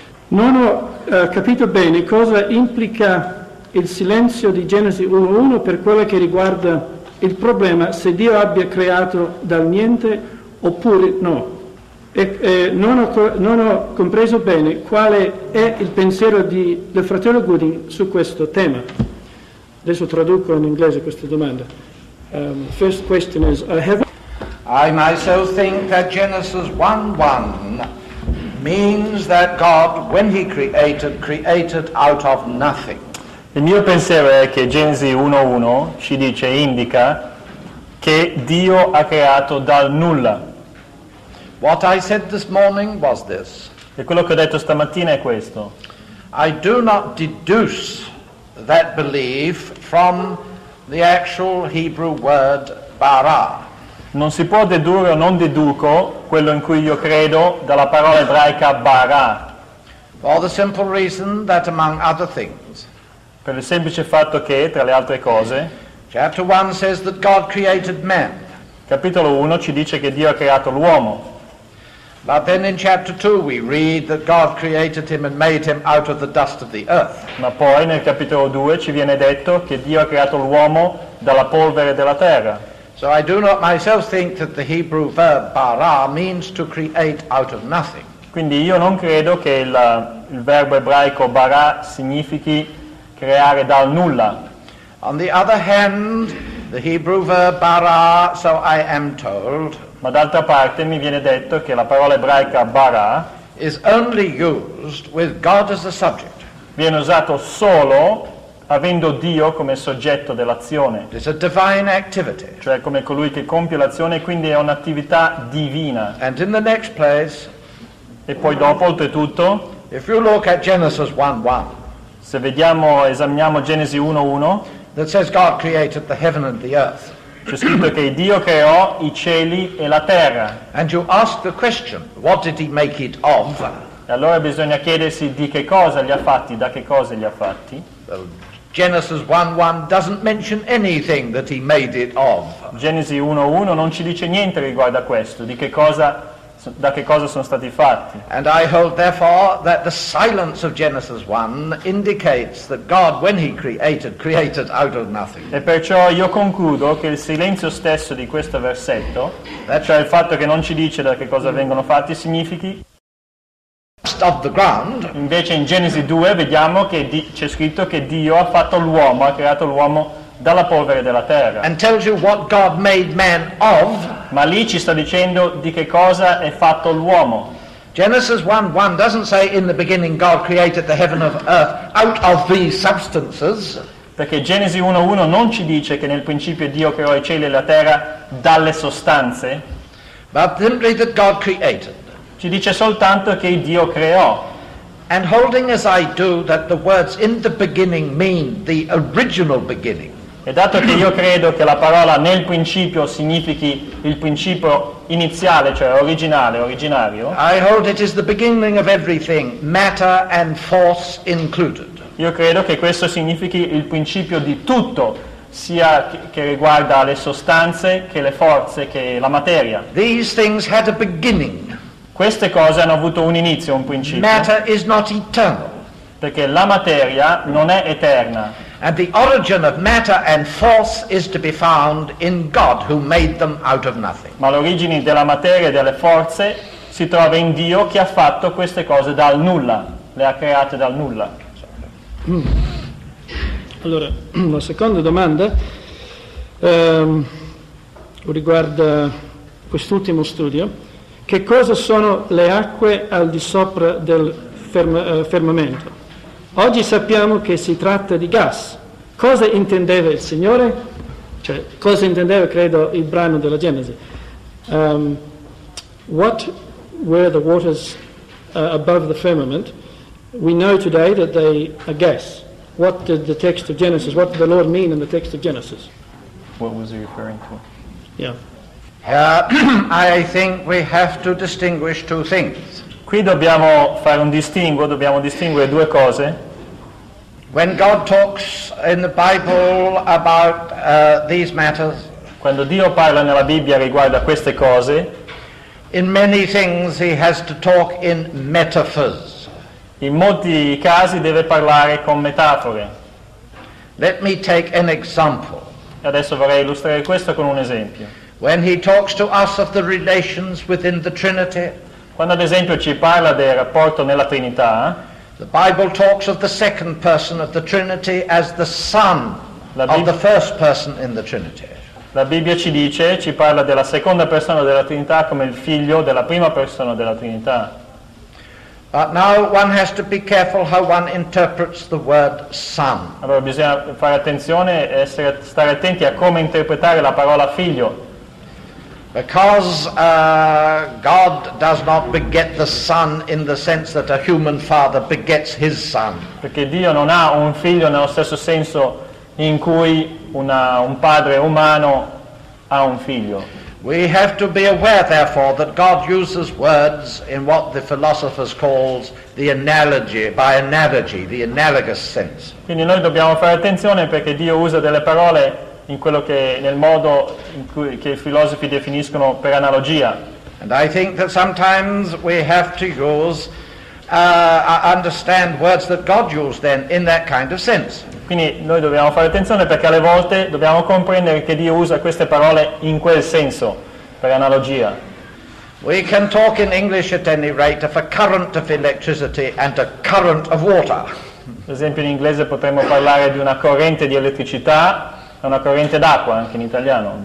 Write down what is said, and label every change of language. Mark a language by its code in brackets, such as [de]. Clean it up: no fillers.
[it] Non ho capito bene cosa implica il silenzio di Genesi 1:1 per quello che riguarda il problema se Dio abbia creato dal niente oppure no. E non ho compreso bene quale è il pensiero del fratello Gooding su questo tema. Adesso traduco in inglese questa domanda. [en] First question is, I myself think that Genesis 1:1 means that God, when he created, created out of nothing. [it] Il mio pensiero è che Genesi 1:1 ci dice, indica, che Dio ha creato dal nulla. [en] What I said this morning was this. [it] E quello che ho detto stamattina è questo. [en] I do not deduce that belief from the actual Hebrew word bara. [it] Non si può dedurre o non deduco quello in cui io credo dalla parola ebraica bara. [en] For the simple reason that among other things, [it] per il semplice fatto che, tra le altre cose, [en] chapter 1 says that God created man. [it] Capitolo 1 ci dice che Dio ha creato l'uomo. [en] But then in chapter 2 we read that God created him and made him out of the dust of the earth. [it] Ma poi nel capitolo 2 ci viene detto che Dio ha creato l'uomo dalla polvere della terra. [en] So I do not myself think that the Hebrew verb bara means to create out of nothing. [it] Quindi io non credo che il verbo ebraico bara significhi creare dal nulla. [en] On the other hand, the Hebrew verb bara, so I am told. [it] Ma d'altra parte mi viene detto che la parola ebraica bara [en] is only used with God as the subject. [it] Viene usato solo avendo Dio come soggetto dell'azione. [en] It's a divine activity. [it] Cioè come colui che compie l'azione, quindi è un'attività divina. [en] And in the next place, [it] e poi dopo, oltretutto, [en] if you look at Genesis 1:1, [it] se vediamo, esaminiamo Genesi 1:1, [en] that says God created the heaven and the earth. [it] C'è scritto che Dio creò i cieli e la terra. [en] And you ask the question, what did he make it of? [it] E allora bisogna chiedersi di che cosa li ha fatti, da che cosa li ha fatti. [en] Genesis 1:1 doesn't mention anything that he made it of. [it] Genesi 1:1 non ci dice niente riguardo a questo, da che cosa sono stati fatti. [en] And I hold therefore that the silence of Genesis 1 indicates that God, when he created, created out of nothing. [it] E perciò io concludo che il silenzio stesso di questo versetto, cioè il fatto che non ci dice da che cosa vengono fatti, significhi [en] of the ground. [it] Invece in Genesi 2 vediamo che c'è scritto che Dio ha fatto l'uomo, ha creato l'uomo dalla polvere della terra. [en] And tells you what God made man of. [it] Ma lì ci sta dicendo di che cosa è fatto l'uomo. [en] Genesis 1:1 doesn't say in the beginning God created the heaven and earth out of these substances. [it] Perché Genesi 1:1 non ci dice che nel principio Dio creò i cieli e la terra dalle sostanze. [en] But simply that God created. [it] Ci dice soltanto che Dio creò. [en] And holding as I do that the words in the beginning mean the original beginning. [it] E dato che io credo che la parola nel principio significhi il principio iniziale, cioè originale, originario. [en] I hold it is the beginning of everything, matter and force included. [it] Io credo che questo significhi il principio di tutto, sia che riguarda le sostanze, che le forze, che la materia. [en] These things had a beginning. [it] Queste cose hanno avuto un inizio, un principio. [en] Matter is not eternal. [it] Perché la materia non è eterna. [en] And the origin of matter and force is to be found in God who made them out of nothing. [it] Ma l'origine della materia e delle forze si trova in Dio che ha fatto queste cose dal nulla, le ha create dal nulla. Allora, la seconda domanda riguarda quest'ultimo studio. Che cosa sono le acque al di sopra del firmamento? Oggi sappiamo che si tratta di gas. Cosa intendeva il Signore? Cioè, cosa intendeva, credo, il brano della Genesi? [en] What were the waters above the firmament? We know today that they are gas. What did the text of Genesis, what did the Lord mean in the text of Genesis? What was he referring to? I think we have to distinguish two things. [it] Qui dobbiamo fare un distinguo, dobbiamo distinguere due cose. [en] When God talks in the Bible about these matters, [it] quando Dio parla nella Bibbia riguardo a queste cose, [en] in many things he has to talk in metaphors. [it] In molti casi deve parlare con metafore. [en] Let me take an example. [it] Adesso vorrei illustrare questo con un esempio. [en] When he talks to us of the relations within the Trinity, [it] quando ad esempio ci parla del rapporto nella Trinità, [en] the Bible talks of the second person of the Trinity as the Son of the first person in the Trinity. [it] La Bibbia ci dice, ci parla della seconda persona della Trinità come il figlio della prima persona della Trinità. [en] But now one has to be careful how one interprets the word son. [it] Allora bisogna fare attenzione e stare attenti a come interpretare la parola figlio. [en] Because God does not beget the son in the sense that a human father begets his son. [it] Perché Dio non ha un figlio nello stesso senso in cui un padre umano ha un figlio. [en] We have to be aware, therefore, that God uses words in what the philosophers call the analogy, by analogy, the analogous sense. [it] Quindi noi dobbiamo fare attenzione perché Dio usa delle parole in quello che, nel modo in cui che i filosofi definiscono per analogia. [en] And I think that sometimes we have to use, understand words that God used then in that kind of sense. [it] Quindi noi dobbiamo fare attenzione perché alle volte dobbiamo comprendere che Dio usa queste parole in quel senso, per analogia. [en] We can talk in English at any rate of a current of electricity and a current of water. [it] Per esempio in inglese potremmo parlare di una corrente di elettricità e una corrente d'acqua, anche in italiano.